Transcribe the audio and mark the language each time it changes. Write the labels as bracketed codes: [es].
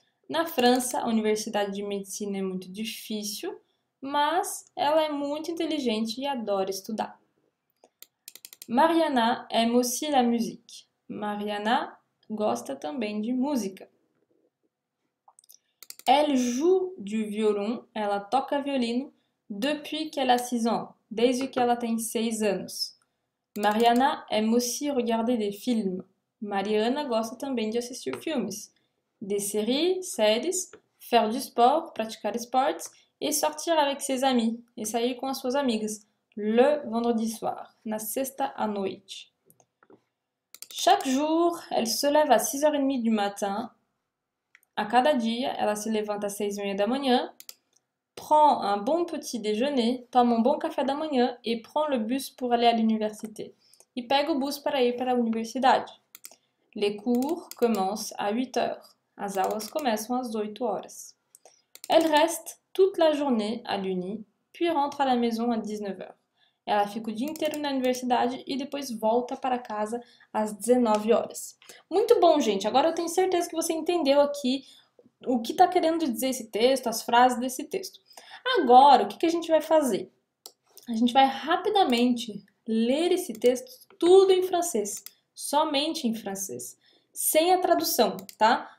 [pt] Na França, a universidade de medicina é muito difícil, mas ela é muito inteligente e adora estudar. [fr] Mariana aime aussi la musique. [pt] Mariana gosta também de música. [fr] Elle joue du violon, [pt] ela toca violino [fr] depuis qu'elle a 6 ans, [pt] desde que ela tem 6 anos. [fr] Mariana aime aussi regarder des films. [pt] Mariana gosta também de assistir filmes, [fr] des séries, [pt] séries, [fr] faire du sport, [pt] praticar esportes [fr] et sortir avec ses amis, [pt] et sair com as suas amigas, [fr] le vendredi soir, [pt] na sexta à noite. [fr] Chaque jour, elle se lève à 6h30 du matin. [pt] À cada dia, ela se levanta às 6h30 da manhã, [fr] prend un bon petit déjeuner, [pt] toma um bom café da manhã e [fr] prend le bus pour aller à l'université. [pt] E pega o bus para ir para a universidade. [fr] Les cours commencent à 8h. [pt] As aulas começam às 8 horas. [fr] Elle reste toute la journée à l'uni, puis rentre à la maison à 19h. [pt] Ela fica o dia inteiro na universidade e depois volta para casa às 19 horas. Muito bom, gente. Agora eu tenho certeza que você entendeu aqui o que está querendo dizer esse texto, as frases desse texto. Agora, o que que a gente vai fazer? A gente vai rapidamente ler esse texto tudo em francês, somente em francês, sem a tradução, tá?